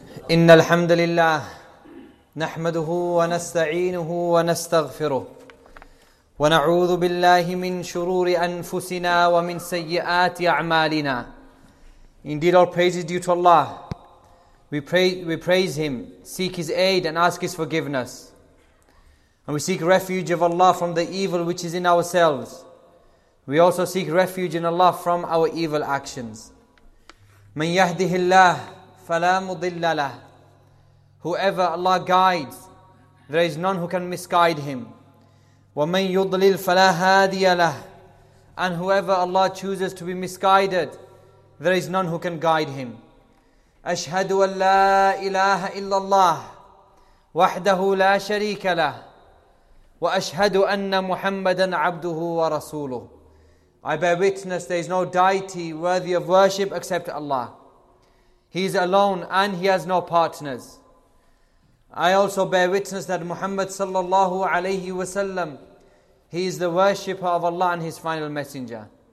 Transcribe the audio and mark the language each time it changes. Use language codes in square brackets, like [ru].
[ar] إن الحمد لله نحمده ونستعينه ونستغفره ونعوذ بالله من شرور أنفسنا ومن سيئات أعمالنا. [en] Indeed, all praise is due to Allah. We praise Him, seek His aid and ask His forgiveness. And we seek refuge of Allah from the evil which is in ourselves. We also seek refuge in Allah from our evil actions. [ar] من يهده الله فلا مضل له. [en] Whoever Allah guides, there is none who can misguide him. [ar] وَمَنْ يُضْلِلْ فَلَا هَادِيَ لَهُ. [en] And whoever Allah chooses to be misguided, there is none who can guide him. [ar] أشهد أن لا إله إلا الله وحده لا شريك له وأشهد أن محمدا عبده ورسوله. [en] I bear witness there is no deity worthy of worship except Allah. He is alone and he has no partners. I also bear witness that Muhammad sallallahu alayhi wasallam, he is the worshipper of Allah and his final messenger.